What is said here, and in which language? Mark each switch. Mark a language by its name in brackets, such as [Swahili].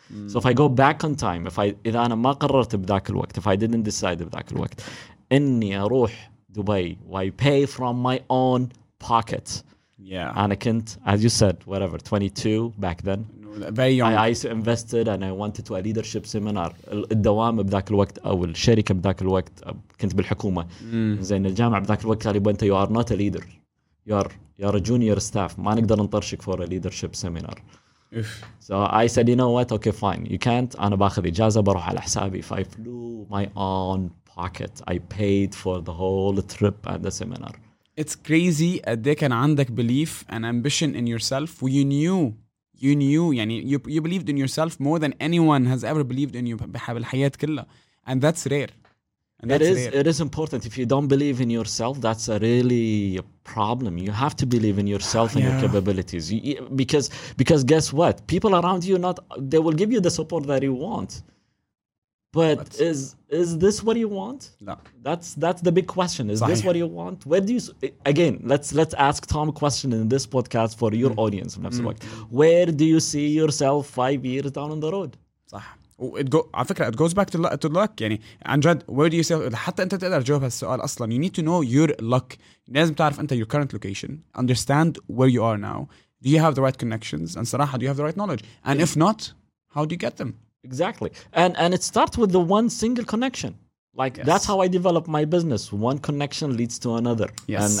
[English] So if I go back on time, [Arabic] إذا أنا ما قررت بذاك الوقت, [English] if I didn't decide بذاك الوقت, [Arabic] إني أروح دبي, [English] why pay from my own pocket, Yeah. And I can't, as you said, whatever, 22 back then. Very young. I invested and I wanted to a leadership seminar. [Arabic] الدوام بذاك الوقت أو الشركة بذاك الوقت كنت بالحكومة. زين الجامعة بذاك الوقت قال لي أنت [English] you are not a leader. You're a junior staff. [Arabic] ما نقدر نطرشك [English] for a leadership seminar. So I said, you know what? Okay, fine. You can't. [Arabic] أنا باخذ إجازة بروح على حسابي. [English] If I flew my own pocket, I paid for the whole trip and the seminar. It's crazy. [Arabic] قد كان عندك [English] belief and ambition in yourself. You knew. يعني you believed in yourself more than anyone has ever believed in you. [Arabic] بحب الحياة كلها. [English] And that's rare. It is important. If you don't believe in yourself, that's a really problem. You have to believe in yourself and your capabilities. Because guess what? People around you, they will give you the support that you want. But is this what you want? No. That's the big question. Is this what you want? Where do you, again, let's ask Tom a question in this podcast for your audience. Where do you see yourself 5 years down on the road? It goes back to luck. [Arabic] يعني عن جد, [English] where do you say, [Arabic] حتى أنت تقدر تجاوب هالسؤال أصلا, [English] you need to know your luck. [Arabic] لازم تعرف أنت [English] your current location, understand where you are now, do you have the right connections, and صراحة do you have the right knowledge, and if not, how do you get them? Exactly, and it starts with the one single connection. Like that's how I develop my business. One connection leads to another. Yes.